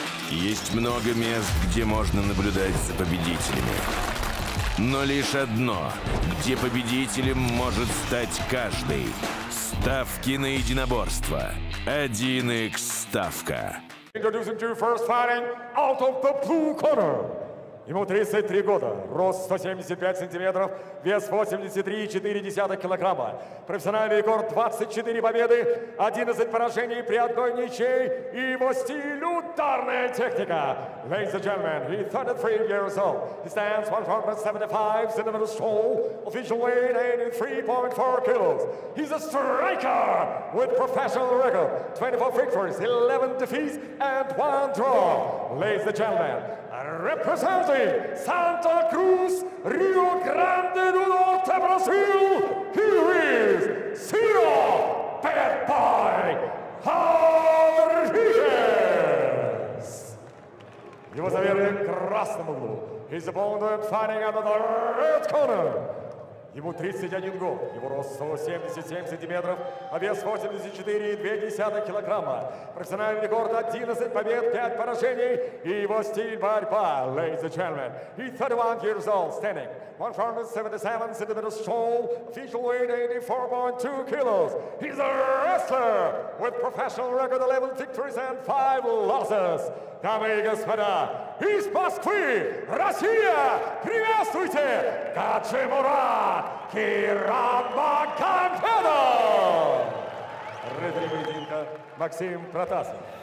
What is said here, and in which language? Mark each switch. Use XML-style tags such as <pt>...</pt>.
<ru>Есть много мест, где можно наблюдать за победителями. Но лишь одно, где победителем может стать каждый. Ставки на единоборство. 1x-ставка.</ru> <en>Introducing to first fighting out of the blue corner.</en> <ru>Ему 33 года, рост 175 сантиметров, вес 83,4 килограмма. Профессиональный рекорд 24 победы, 11 поражений при одной ничьей и его стиль ударная техника.</ru> <en>Ladies and gentlemen, he 33 years old. He stands 175 centimeters tall, official weight 83.4 kilos. He's a striker with professional record. 24 victories, 11 defeats and 1 draw. Ladies and gentlemen, representing Santa Cruz, Rio Grande do Norte, Brasil. Here is Ciro Pepe Rodriguez. He was a very</en> <ru>красному углу.</ru> <en>His opponent fighting out of the red corner.</en> <ru>Ему 31 год, его рост 177 сантиметров, а вес 84,2 килограмма. Профессиональный рекорд 11 побед, 5 поражений и его стиль борьба.</ru> <en>Ladies and gentlemen, he's 31 years old, standing 177 centimeters tall, official weight 84.2 kilos. He's a wrestler with professional record 11 victories and 5 losses.</en> <ru>Дамы и господа, из Москвы, Россия, приветствуйте Каджимура Кирабаканфеда! Рефери поединка Максим Протасов.</ru>